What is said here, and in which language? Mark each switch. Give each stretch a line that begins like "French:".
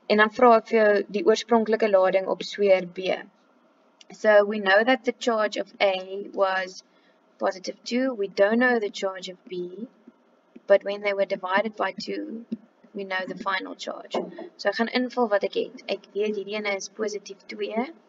Afrikaans: En dan vra ek vir jou die oorspronklike lading op sfeer B.
English: So we know that the charge of A was positive 2. We don't know the charge of B, but when they were divided by 2, we know the final charge.
Afrikaans: So ek gaan invul wat ek het. Ek weet hierdie ene is positief 2.